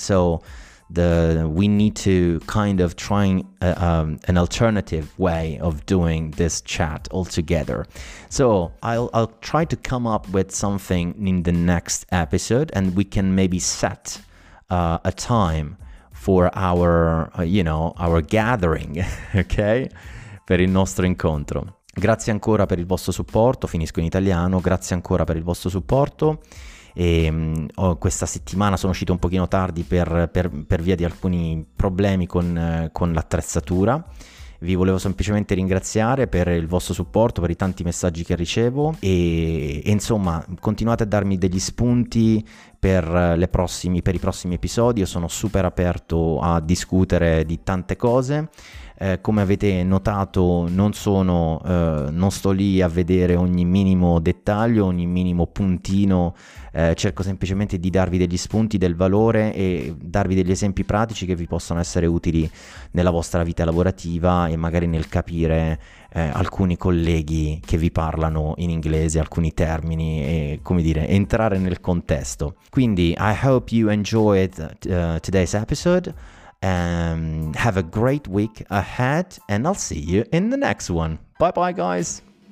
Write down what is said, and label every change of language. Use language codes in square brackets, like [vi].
[en] So we need to kind of try an alternative way of doing this chat altogether. So I'll try to come up with something in the next episode, and we can maybe set a time for our gathering, okay? [it] Per il nostro incontro. Grazie ancora per il vostro supporto, finisco in italiano, grazie ancora per il vostro supporto. E questa settimana sono uscito un pochino tardi per via di alcuni problemi con l'attrezzatura. Vi volevo semplicemente ringraziare per il vostro supporto, per i tanti messaggi che ricevo e insomma continuate a darmi degli spunti per i prossimi episodi. Io sono super aperto a discutere di tante cose. Come avete notato, non sto lì a vedere ogni minimo dettaglio, ogni minimo puntino. Cerco semplicemente di darvi degli spunti, del valore e darvi degli esempi pratici che vi possono essere utili nella vostra vita lavorativa e magari nel capire alcuni colleghi che vi parlano in inglese, alcuni termini e, come dire, entrare nel contesto. Quindi, [en] I hope you enjoyed today's episode. Have a great week ahead, and I'll see you in the next one. Bye bye, guys.